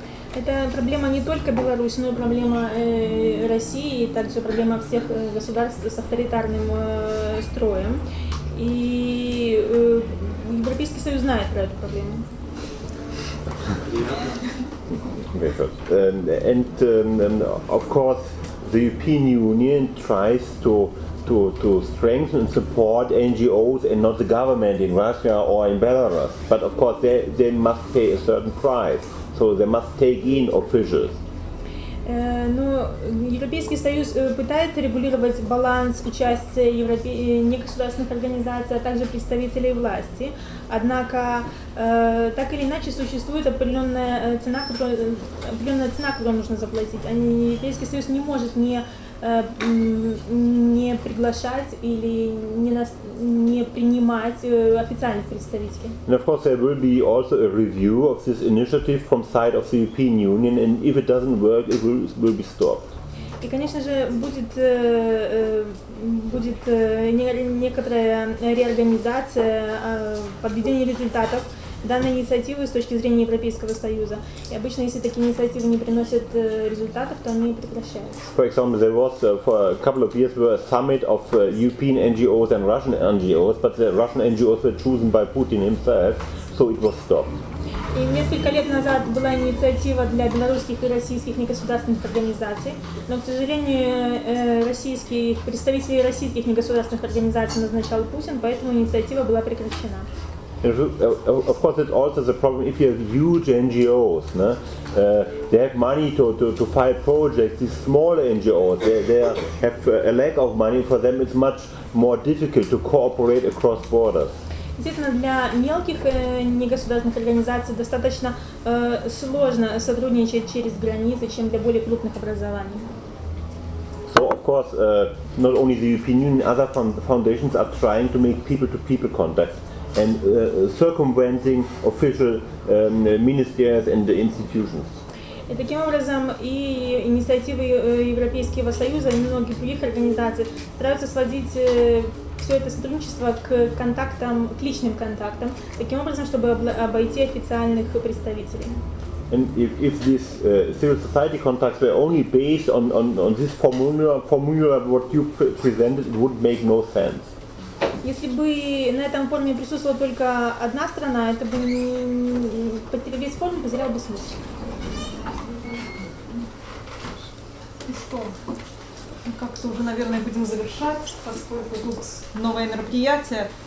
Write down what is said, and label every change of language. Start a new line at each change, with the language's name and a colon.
Russian: Это проблема не только Беларуси, но и проблема России, и также проблема всех государств с авторитарным строем. И Европейский Союз знает про эту проблему.
English: And of course, the European Union tries to strengthen and support NGOs and not the government in Russia or in Belarus. But of course, they must pay a certain price. So they must take in officials.
Russian: Но Европейский Союз пытается регулировать баланс участия негосударственных организаций, а также представителей власти. Однако, так или иначе, существует определенная цена, которую нужно заплатить. Европейский Союз не может не приглашать или не принимать официальных представителей.
English: And of course, there will be also a review of this initiative from side of the European Union, and if it doesn't work, it will be stopped.
Russian: И, конечно же, будет некоторая реорганизация, подведение результатов данной инициативы с точки зрения Европейского Союза. И обычно, если такие инициативы не приносят результатов, то они прекращаются.
English: For example, there was for a couple of years were a summit of European NGOs and Russian NGOs, but the Russian NGOs were chosen by Putin himself, so it was stopped.
Russian: И несколько лет назад была инициатива для белорусских и российских негосударственных организаций, но, к сожалению, представителей российских негосударственных организаций назначал Путин, поэтому инициатива была прекращена.
English: And of course, it's also the problem if you have huge NGOs, no? They have money to file projects. These smaller NGOs, they have a lack of money. For them, it's much more difficult to cooperate across borders.
Russian: Действительно, для мелких негосударственных организаций достаточно сложно сотрудничать через границы, чем для более крупных образований.
English: So, of course, not only the European Union, other foundations are trying to make people-to-people contact and circumventing official ministries and the institutions.
Russian: И таким образом и инициативы Европейского Союза, и многих других организаций стараются сводить все это сотрудничество к контактам, к личным контактам, таким образом, чтобы обойти официальных представителей.
English: And if this civil society contacts were only based on this formula what you presented, it would make no sense.
Russian: Если бы на этом форуме присутствовала только одна страна, это бы потерял весь форум, потерял бы смысл. И что? Мы как-то уже, наверное, будем завершать, поскольку тут новое мероприятие.